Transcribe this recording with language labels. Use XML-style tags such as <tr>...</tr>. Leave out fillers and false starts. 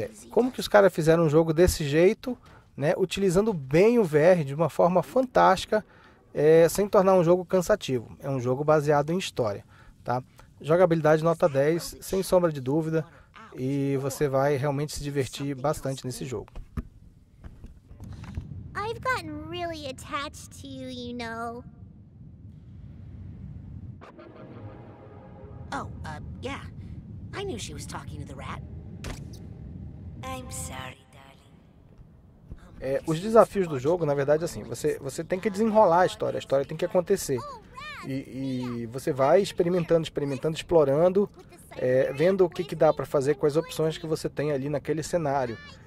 <pt>Como que os caras fizeram um jogo desse jeito, né? Utilizando bem o VR de uma forma fantástica, sem tornar um jogo cansativo. É um jogo baseado em história, tá? Jogabilidade nota 10, sem sombra de dúvida, e você vai realmente se divertir bastante nesse jogo.</pt> <en>I've gotten really attached to you, you know. Oh, yeah. I knew she was talking to the rat. I'm sorry,</en> <pt>Os desafios do jogo, na verdade, é assim, você tem que desenrolar a história tem que acontecer. E você vai experimentando, experimentando, explorando, vendo o que que dá para fazer com as opções que você tem ali naquele cenário.</pt>